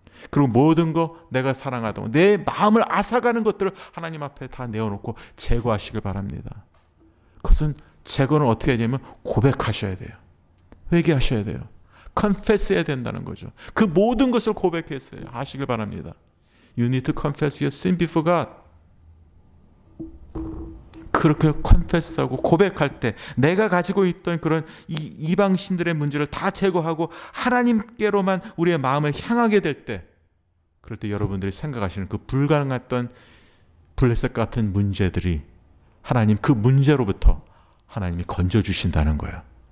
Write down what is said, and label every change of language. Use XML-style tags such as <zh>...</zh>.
<ko>그리고 모든 거 내가 사랑하던 내 마음을 앗아가는 것들을 하나님 앞에 다 내어놓고 제거하시길 바랍니다. 그것은 제거는 어떻게 하냐면 고백하셔야 돼요. 회개하셔야 돼요. 컨페스해야 된다는 거죠. 그 모든 것을 고백해서 하시길 바랍니다.</ko> <en>You need to confess your sin before God.</en> <ko>그렇게 컨페스하고 고백할 때 내가 가지고 있던 그런 이방신들의 문제를 다 제거하고 하나님께로만 우리의 마음을 향하게 될 때 그럴 때 여러분들이 생각하시는 그 불가능했던 블레셋 같은 문제들이 하나님 그 문제로부터 하나님이 건져주신다는 거예요.</ko>